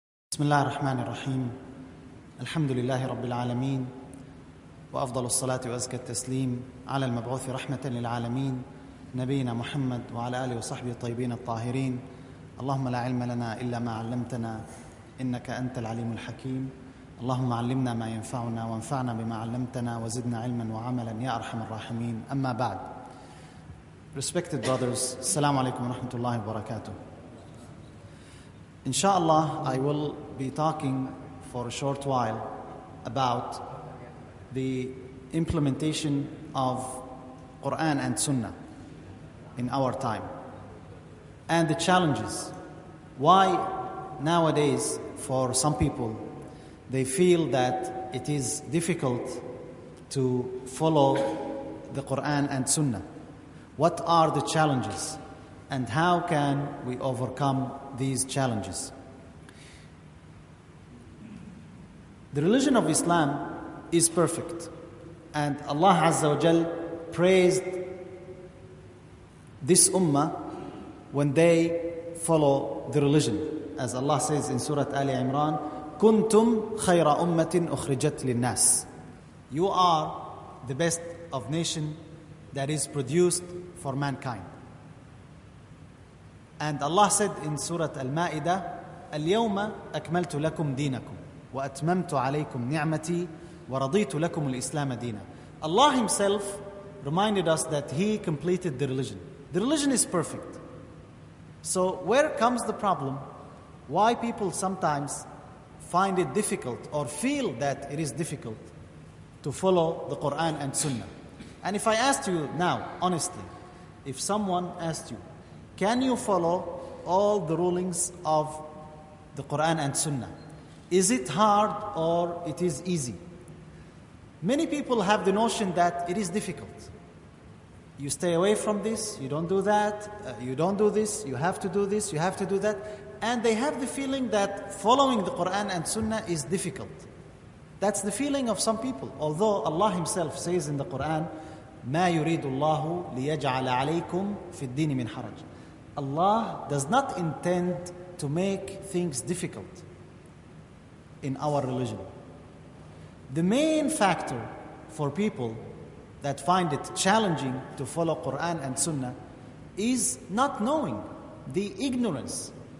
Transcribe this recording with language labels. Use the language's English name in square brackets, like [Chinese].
[Arabic] بسم الله الرحمن الرحيم الحمد لله رب العالمين وأفضل الصلاة وأزكى التسليم على المبعوث رحمة للعالمين نبينا محمد وعلى آله وصحبه الطيبين الطاهرين اللهم لا علم لنا إلا ما علمتنا إنك أنت العليم الحكيم اللهم علمنا ما ينفعنا وانفعنا بما علمتنا وزدنا علما وعملا يا أرحم الراحمين أما بعد [English] Respected brothers, [Arabic] السلام عليكم ورحمة الله وبركاته. [English] Inshallah, I will be talking for a short while about the implementation of Quran and Sunnah in our time and the challenges. Why nowadays, for some people, they feel that it is difficult to follow the Quran and Sunnah? What are the challenges? And how can we overcome these challenges? The religion of Islam is perfect. And Allah Azza wa Jal praised this ummah when they follow the religion. As Allah says in Surah Ali Imran, [Arabic] كُنْتُمْ خَيْرَ أُمَّةٍ أُخْرِجَتْ لِلنَّاسِ. [English] You are the best of nation that is produced for mankind. And Allah said in Surah Al-Ma'idah, [Arabic] الْيَوْمَ أَكْمَلْتُ لَكُمْ دِينَكُمْ وَأَتْمَمْتُ عَلَيْكُمْ نِعْمَتِي وَرَضِيتُ لَكُمُ الْإِسْلَامَ دِينًا. [English] Allah Himself reminded us that He completed the religion. The religion is perfect. So where comes the problem? Why people sometimes find it difficult or feel that it is difficult to follow the Quran and Sunnah? And if I asked you now, honestly, if someone asked you, can you follow all the rulings of the Quran and Sunnah? Is it hard or it is easy? Many people have the notion that it is difficult. You stay away from this, you don't do that, you don't do this, you have to do this, you have to do that. And they have the feeling that following the Quran and Sunnah is difficult. That's the feeling of some people. Although Allah Himself says in the Quran, [Arabic] مَا يُرِيدُ اللَّهُ لِيَجْعَلَ عَلَيْكُمْ فِي الدِّينِ مِنْ حَرَجٍ. [English] Allah does not intend to make things difficult in our religion. The main factor for people that find it challenging to follow Quran and Sunnah is not knowing, the ignorance.